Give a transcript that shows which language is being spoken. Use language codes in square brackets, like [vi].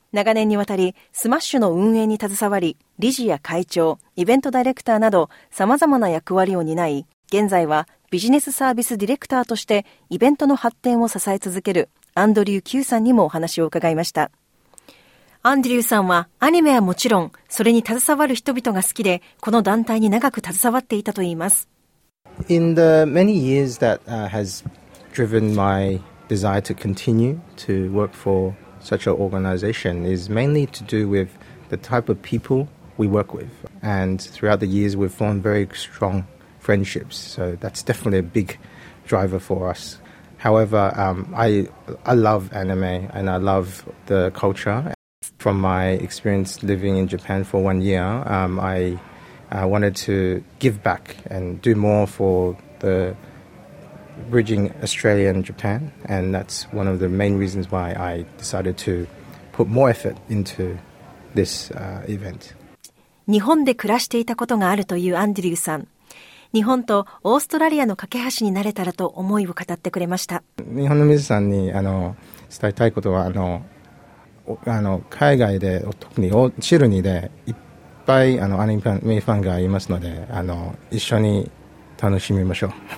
[ja] 長年にわたりスマッシュの運営に携わり、理事や会長、イベントダイレクターなど様々な役割を担い、現在はビジネスサービスディレクターとしてイベントの発展を支え続けるアンドリュー・キューさんにもお話を伺いました。アンドリューさんはアニメはもちろん、それに携わる人々が好きで、この団体に長く携わっていたといいます。 [en] In the many years that has driven my desire to continue to work for such an organization is mainly to do with the type of people we work with. And throughout the years we've formed very strong friendships, so that's definitely a big driver for us. However, I love anime and I love the culture. from my experience living in Japan for 1 year, I wanted to give back and do more for the bridging Australia and Japan, and that's one of the main reasons why I decided to put more effort into this event. [ja] 日本で暮らしていたことがあるというアンドリューさん、日本とオーストラリアの架け橋になれたらと思いを語ってくれました。日本の水さんに伝えたいことは、海外で特にシルニーでいっぱいアニメファンがいますので、一緒に楽しみましょう。